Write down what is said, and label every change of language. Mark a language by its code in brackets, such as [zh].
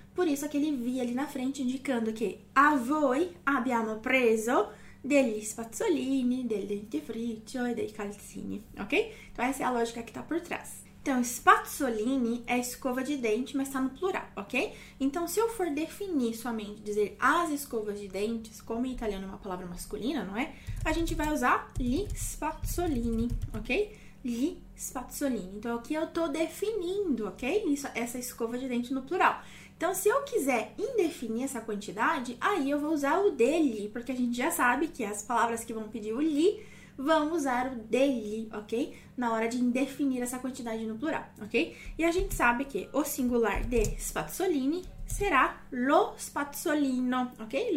[pt] Por isso aquele [it] vi [pt] ali na frente indicando que [it] a voi abbiamo preso degli spazzolini, del dentifricio e dei calzini, ok? [pt] Então, essa é a lógica que tá por trás. Então, spazzolini é escova de dente, mas tá no plural, ok? Então, se eu for definir somente, dizer as escovas de dentes, como em italiano é uma palavra masculina, não é? A gente vai usar [it] gli spazzolini, [pt] ok? [it] Gli spazzolini. [pt] Então, aqui eu tô definindo, ok? Isso, essa escova de dente no plural. Então, se eu quiser indefinir essa quantidade, aí eu vou usar o degli, porque a gente já sabe que as palavras que vão pedir o gli vão usar o degli, ok? Na hora de indefinir essa quantidade no plural, ok? E a gente sabe que o singular de spazzolini será [it] lo spazzolino, [pt] ok?